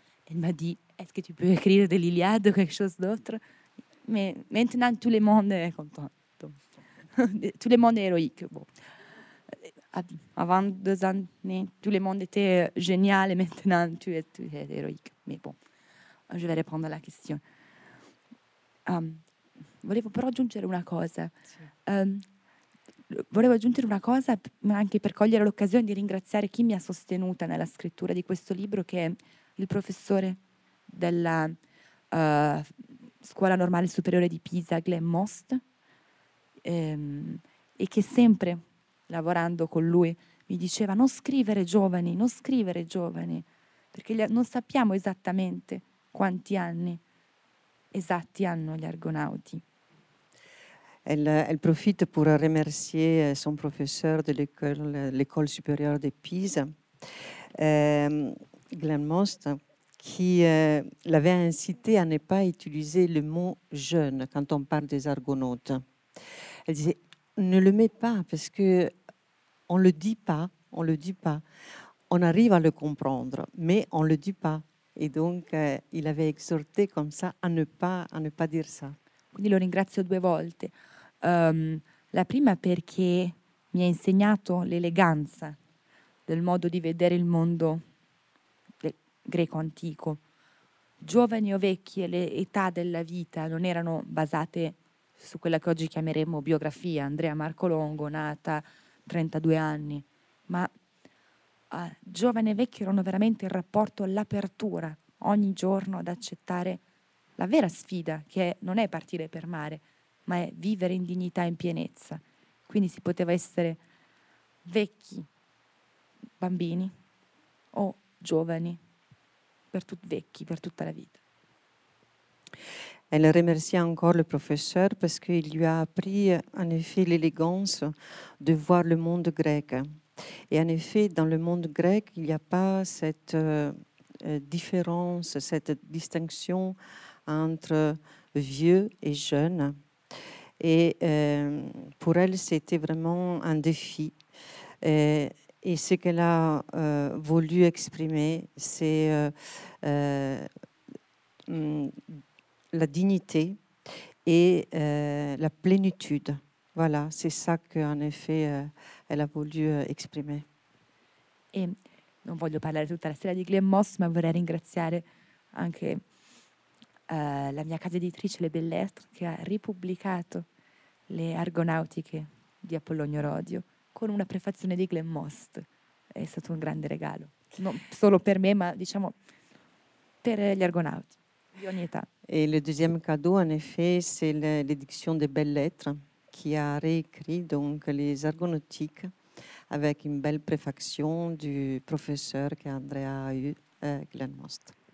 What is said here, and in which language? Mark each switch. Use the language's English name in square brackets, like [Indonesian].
[French] Il m'a dit, est-ce que tu peux écrire de l'Iliade ou quelque chose d'autre? Mais maintenant tout le monde est content. Tout le monde est héroïque. Bon. Avant deux années, tout le monde était génial et maintenant tu es héroïque. Mais bon, je vais répondre à la question. [Italian] Volevo aggiungere una cosa, ma anche per cogliere l'occasione di ringraziare chi mi ha sostenuta nella scrittura di questo libro, che è il professore della Scuola Normale Superiore di Pisa, Glenn Most, e che sempre lavorando con lui mi diceva: non scrivere giovani, non scrivere giovani, perché non sappiamo esattamente quanti anni esatti hanno gli Argonauti. [French] Elle profite pour remercier son professeur de l'école supérieure de Pise, Glenn Most, qui l'avait incité à ne pas utiliser le mot « jeune » quand on parle des Argonautes. Elle disait « ne le mets pas, parce qu'on ne le dit pas, on ne le dit pas. On arrive à le comprendre, mais on ne le dit pas. » Et donc, il avait exhorté comme ça à ne pas dire ça. [Italian] Quindi lo ringrazio due volte. La prima perché mi ha insegnato l'eleganza del modo di vedere il mondo greco antico. Giovani o vecchi, le età della vita non erano basate su quella che oggi chiameremo biografia. Andrea Marco Longo, nata 32 anni, ma giovane e vecchio erano veramente il rapporto all'apertura ogni giorno ad accettare la vera sfida, che non è partire per mare, ma è vivere in dignità e in pienezza. Quindi si poteva essere vecchi, bambini o giovani, vecchi per tutta la vita. [French] Elle remercie encore le professeur parce qu'il lui a appris en effet l'élégance de voir le monde grec. Et en effet, dans le monde grec, il n'y a pas cette différence, cette distinction entre vieux et jeune. Et pour elle, c'était vraiment un défi. Et ce qu'elle a voulu exprimer, c'est la dignité et la plénitude. Voilà, c'est ça qu'en effet, elle a voulu exprimer. [Italian] Et non voglio parlare tutta la sera di Glenn Moss, ma vorrei ringraziare anche la mia casa editrice, Le Belle Lettre, che ha ripubblicato Le Argonautiche di Apollonio Rodio con una prefazione di Glenn Most. È stato un grande regalo, non solo per me, ma diciamo per gli Argonauti di ogni età. E il [French] deuxième cadeau, en effet, c'est l'édition des Belles Lettres qui a réécrit donc les Argonautiques avec une belle préfaction du professeur che Andrea a eu, Glenn Most.